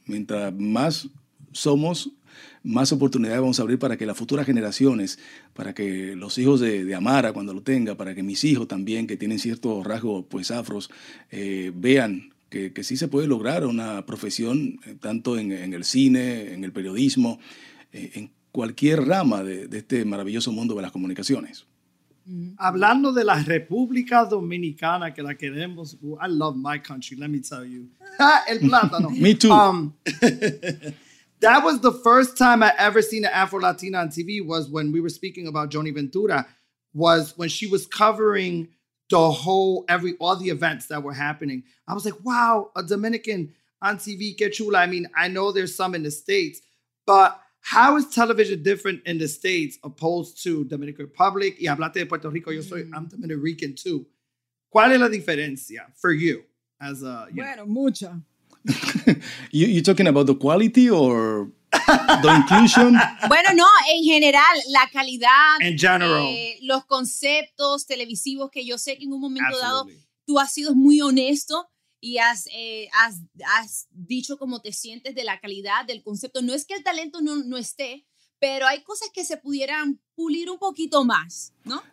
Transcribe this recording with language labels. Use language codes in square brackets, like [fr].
[es] Mientras más somos, más oportunidades vamos a abrir para que las futuras generaciones, para que los hijos de Amara cuando lo tenga, para que mis hijos también, que tienen ciertos rasgos pues afros, vean que sí se puede lograr una profesión, tanto en el cine, en el periodismo, en cualquier rama de este maravilloso mundo de las comunicaciones. Hablando de la República Dominicana, que la queremos. [en] Ooh, I love my country, let me tell you. [es] El plátano. [en] Me too. That was the first time I ever seen an Afro-Latina on TV was when we were speaking about Joni Ventura, was when she was covering all the events that were happening. I was like, wow, a Dominican on TV, [es] qué chula. [en] I mean, I know there's some in the States, but how is television different in the States opposed to Dominican Republic? [es] Y hablaste de Puerto Rico, [en] I'm Dominican Rican too. [es] ¿Cuál es la diferencia [en] for you? [es] Mucha. [en] You're talking about the quality or the inclusion? [es] Bueno, no, en general, la calidad. [en] In general. [es] Los conceptos televisivos que yo sé que en un momento dado tú has sido muy honesto y has dicho cómo te sientes de la calidad del concepto. No es que el talento no esté, pero hay cosas que se pudieran pulir un poquito más, ¿no?